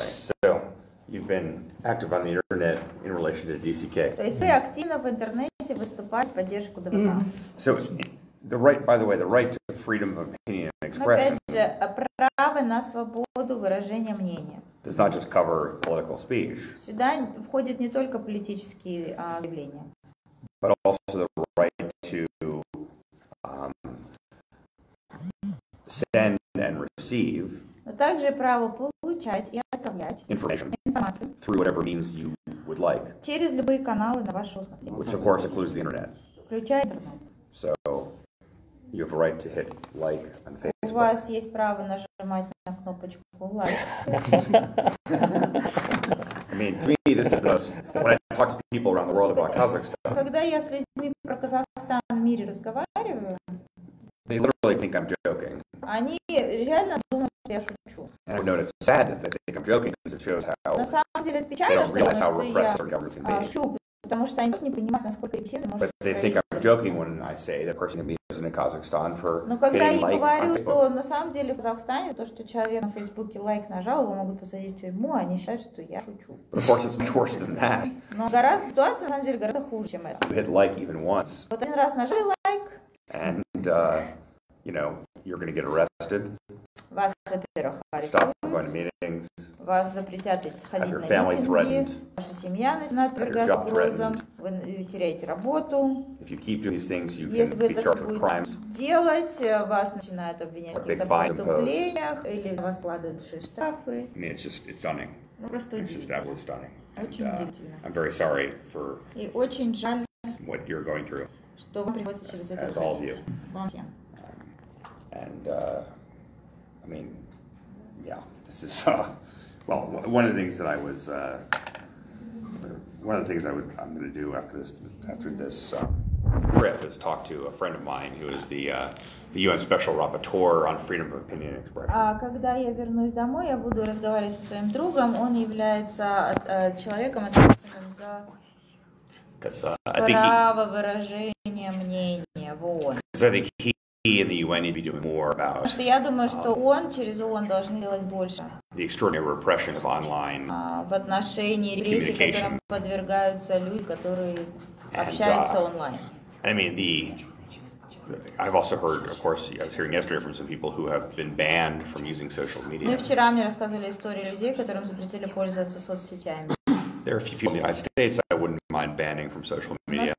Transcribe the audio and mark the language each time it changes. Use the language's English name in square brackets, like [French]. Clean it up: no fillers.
[English] So you've been active on the internet in relation to DCK. [Russian] То есть вы активно в интернете выступаете в поддержку ДВК. [English] So the right, by the way, the right to freedom of opinion and expression. [Russian] Опять же, право на свободу выражения мнения. [English] Does not just cover political speech. [Russian] Сюда входят не только политические заявления. [English] But also the right to send and receive. [Russian] Но также право получать и отправлять информацию [English] through whatever means you would like. [Russian] Через любые каналы на ваше усмотрение. [English] Which of course includes the internet. [Russian] Включая интернет. [English] So you have a right to hit like on Facebook. [Russian] У вас есть право нажимать на кнопочку like. [English] I mean, to me, this is the most, when I talk to people around the world about Kazakhstan. [Russian] Когда я с людьми про Казахстан в мире разговариваю. [English] They literally think I'm joking. [Russian] Они реально думают, что я шучу. [English] And I've noticed it's sad that they think I'm joking because it shows how. [Russian] На самом деле, это печально, [English] they don't realize how repressed our governments can be. [Russian] Потому что они не понимают, насколько эффективно может. [English] But they think I'm joking when I say that person can be in Kazakhstan for [Russian] Но когда я [English] like [Russian] говорю, что на самом деле в Казахстане то, что человек на Фейсбуке лайк нажал, его могут посадить в тюрьму, они считают, что я шучу. [English] But of course it's much worse than that. [Russian] Но гораздо ситуация на самом деле гораздо хуже, чем это. [English] You hit like even once. [Russian] Вот один раз нажали лайк. [English] And you know, you're going to get arrested. [Russian] Вас, во-первых, арестуют. [English] Stop from going to meetings. [Russian] Вас запретят ходить на митинги. Ваша семья начинает подвергаться угрозам. Вы теряете работу. [English] If you keep doing these things, you [Russian] Если [English] can be charged with crimes. [Russian] Если вы это будете делать, вас начинают обвинять в каких-то преступлениях. Или вас вкладывают большие штрафы. [English] I mean, it's just, it's stunning. [Russian] Ну, просто [English] it's just absolutely stunning. [Russian] Очень удивительно. [English] I'm very sorry for [Russian] И очень жаль, [English] what you're going through. [Russian] Что вам приходится через это проходить. [English] All of you. [Russian] Вам всем. [English] I mean, yeah, this is, well, one of the things that I was, one of the things I would, I'm going to do after this trip is talk to a friend of mine who is the UN Special Rapporteur on Freedom of Opinion and Expression. [Russian] Когда я вернусь домой, я буду разговаривать со своим другом, он является человеком, ответственным за право выражения мнения в ООН. [English] Because I think he... and the UN need to be doing more about. [Russian] Что я думаю, что ООН через ООН должны делать больше. [English] The extraordinary repression of online. [Russian] В отношении репрессий, которым подвергаются люди, которые общаются онлайн. [English] I mean the. I've also heard, of course, I was hearing yesterday from some people who have been banned from using social media. [Russian] Ну и вчера мне рассказывали истории людей, которым запретили пользоваться соцсетями. [English] There are a few people in the United States I wouldn't mind banning from social media.